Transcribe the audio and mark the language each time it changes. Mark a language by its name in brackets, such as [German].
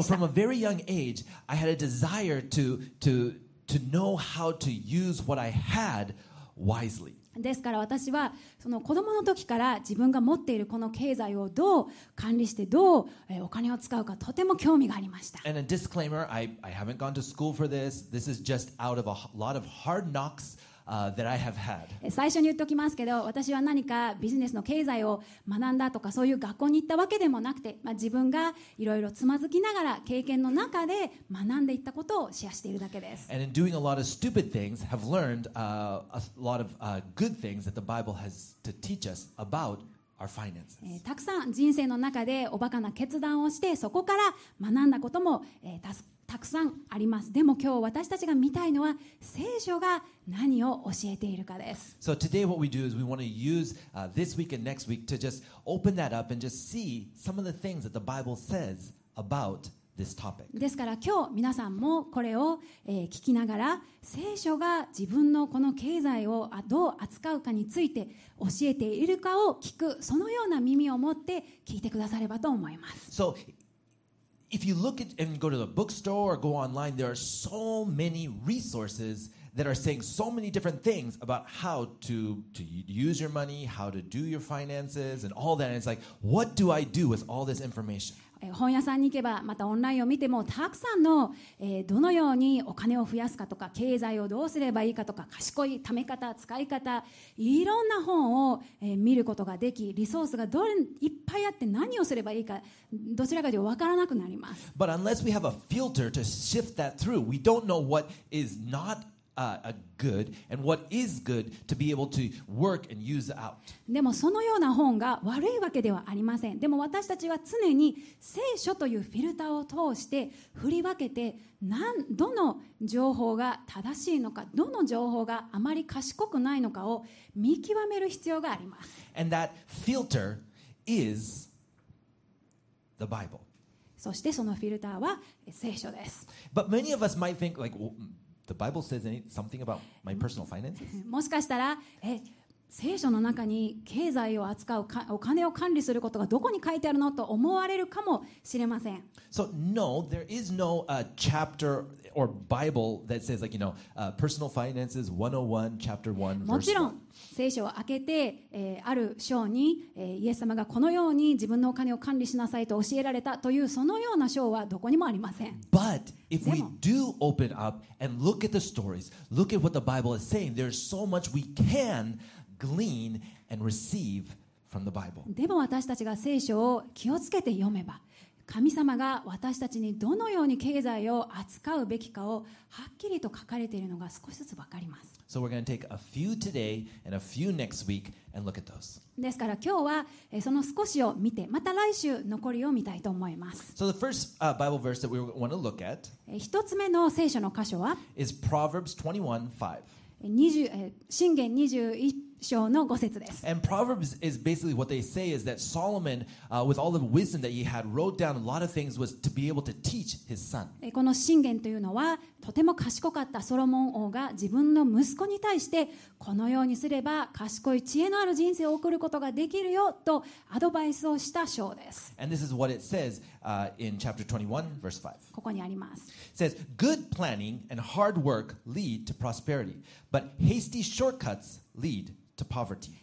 [English] So from a very young age, I had a desire to know how to use what I had wisely. [Japanese] ですから私はその子供の時から自分が持っているこの経済をどう管理してどうお金を使うかとても興味がありました。 [English] And a disclaimer, I haven't gone to school for this. This is just out of a lot of hard knocks, that I have had. [Japanese] 最初に言っておきますけど、私は何かビジネスの経済を学んだとかそういう学校に行ったわけでもなくて、まあ、自分がいろいろつまずきながら経験の中で学んでいったことをシェアしているだけです。 [English] And in doing a lot of stupid things, have learned, a lot of, good things that the Bible has to teach us about our finances. [Japanese] たくさん人生の中でおバカな決断をしてそこから学んだことも、たくさんあります。でも今日私たちが見たいのは聖書が何を教えているかです。 [English] So today what we do is we want to use, this week and next week to just open that up and just see some of the things that the Bible says about this topic. [Japanese] ですから今日皆さんもこれを聞きながら聖書が自分のこの経済をどう扱うかについて教えているかを聞く、そのような耳を持って聞いてくださればと思います。 [English] So if you look at and go to the bookstore or go online, there are so many resources that are saying so many different things about how to use your money, how to do your finances and all that, and it's like, what do I do with all this information? [Japanese] 本屋さんに行けば、またオンラインを見てもたくさんの、どのようにお金を増やすかとか、経済をどうすればいいかとか、賢い貯め方、使い方、いろんな本を、見ることができ、リソースがどれいっぱいあって何をすればいいか、どちらかというと分からなくなります。 [English] But unless we have a filter to shift that through, we don't know what is nota good and what is good to be able to work and use out. [Japanese] でもそのような本が悪いわけではありません。でも私たちは常に聖書というフィルターを通して振り分けて、どの情報が正しいのか、どの情報があまり賢くないのかを見極める必要があります。 [English] And that filter is the Bible. [Japanese] そしてそのフィルターは聖書です。 [English] But many of us might think like,The Bible says something about my personal finances. [Japanese] もしかしたら、聖書の中に経済を扱うか、お金を管理することがどこに書いてあるのと思われるかもしれません。 [English] So no, there is no chapter or Bible that says like, you know, personal finances 101, chapter 1, verse 1. [Japanese] もちろん聖書を開けて、ある章に、イエス様がこのように自分のお金を管理しなさいと教えられたというそのような章はどこにもありません。 [English] But if we do open up and look at the stories, look at what the Bible is saying, there's so much we canglean and receive from the Bible. [Japanese] でも私たちが聖書を気をつけて読めば、神様が私たちにどのように経済を扱うべきかをはっきりと書かれているのが少しずつ分かります。 [English] So we're going to take a few today and a few next week and look at those. [Japanese] ですから今日はその少しを見て、また来週残りを見たいと思います。 [English] So the first Bible verse that we want to look at [Japanese] 一つ目の聖書の箇所は [English] is Proverbs 21:5. [Japanese] 箴言21章の5節です。 [English] And Proverbs is basically what they say is that Solomon, with all the wisdom that he had, wrote down a lot of things was to be able to teach his son. [Japanese] この箴言というのはとても賢かったソロモン王が自分の息子に対してこのようにすれば賢い知恵のある人生を送ることができるよとアドバイスをした章です。 [English] And this is what it says, in chapter 21, verse 5. [Japanese] ここにあります。 [English] It says, good planning and hard work lead to prosperity, but hasty shortcuts lead to poverty.